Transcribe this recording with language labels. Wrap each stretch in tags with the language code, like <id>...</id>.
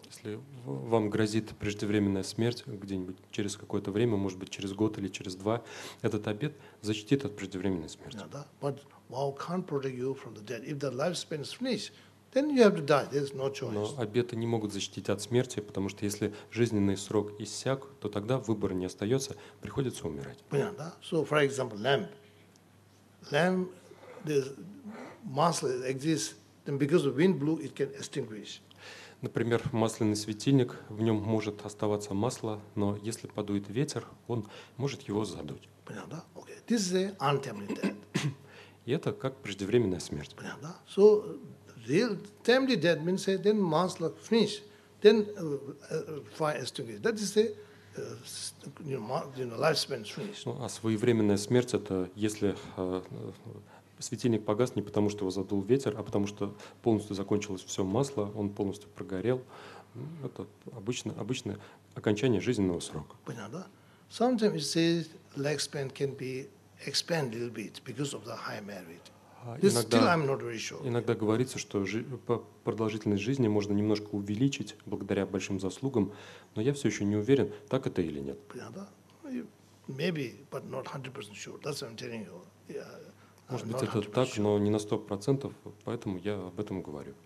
<ru>Если вам грозит преждевременная смерть где-нибудь через какое-то время, может быть, через год или через два, этот обет защитит от преждевременной смерти.</ru> <en>Yeah,</en> <ru>да?</ru> <en>But vow can't protect you from the dead. If the lifespan is finished, then you have to die. There's no choice.</en> <ru>Но обеты не могут защитить от смерти, потому что если жизненный срок иссяк, то тогда выбора не остается, приходится умирать. Понятно, да?</ru> <en>So, for example, lamb. Lamb, the muscle exists then because the wind blew, it can extinguish.</en> <ru>Например, масляный светильник, в нем может оставаться масло, но если подует ветер, он может его задуть. Понятно?</ru> <en>Okay. This is the untimely death.</en> <ru>И это как преждевременная смерть. Понятно?</ru> <en>So, real timely death means that then масло finish, then fire extinguish. That is the lifespan finish.</en> <ru>Ну, а своевременная смерть – это если светильник погас не потому, что его задул ветер, а потому, что полностью закончилось все масло, он полностью прогорел. Это обычное окончание жизненного срока. Понятно?</ru> <en>Sometimes it says lifespan can be expand a little bit because of the high merit. Still I'm not very sure.</en> <ru>Иногда говорится, что продолжительность жизни можно немножко увеличить благодаря большим заслугам, но я все еще не уверен, так это или нет. Понятно?</ru> <en>Maybe, but not 100% sure. That's what I'm telling you.</en> <ru>Может быть, это так, но не на 100%, поэтому я об этом говорю.</ru>